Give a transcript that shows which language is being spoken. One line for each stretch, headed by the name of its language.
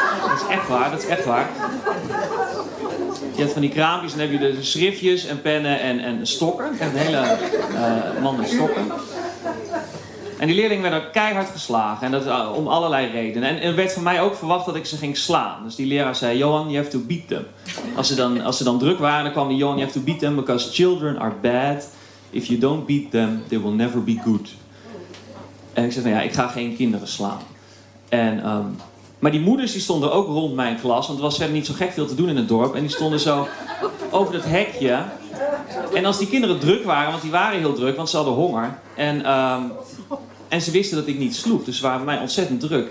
Dutch: Dat is echt waar. Je hebt van die kraampjes en dan heb je dus schriftjes en pennen en stokken. Echt hele mannen stokken. En die leerlingen werden keihard geslagen. En dat om allerlei redenen. En er werd van mij ook verwacht dat ik ze ging slaan. Dus die leraar zei, Johan,
English: you have to beat them.
Dutch: Als ze dan druk waren, dan kwam die Johan, you have to beat them.
English: Because children are bad. If you don't beat them, they will never be good.
Dutch: En ik zei, ik ga geen kinderen slaan. En, maar die moeders die stonden ook rond mijn klas. Want er was verder niet zo gek veel te doen in het dorp. En die stonden zo over het hekje. En als die kinderen druk waren, want die waren heel druk, want ze hadden honger. En ze wisten dat ik niet sloeg, dus ze waren bij mij ontzettend druk.